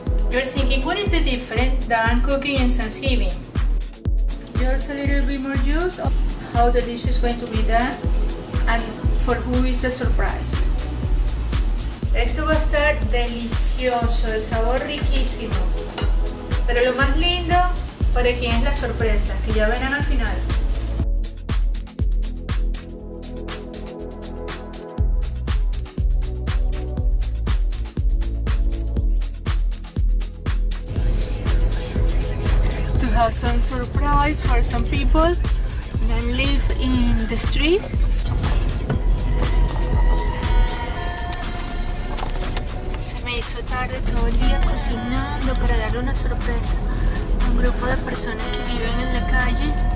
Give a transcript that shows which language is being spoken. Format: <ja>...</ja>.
<en>You're thinking, what is the difference than cooking in Thanksgiving? Just a little bit more juice of how the dish is going to be done and for who is the surprise.</en> <es>Esto va a estar delicioso, el sabor riquísimo. Pero lo más lindo para quien es la sorpresa, que ya verán al final.</es> <en>Have some surprise for some people that live in the street.</en> <es>Se me hizo tarde todo el día cocinando para darle una sorpresa a un grupo de personas que viven en la calle.</es>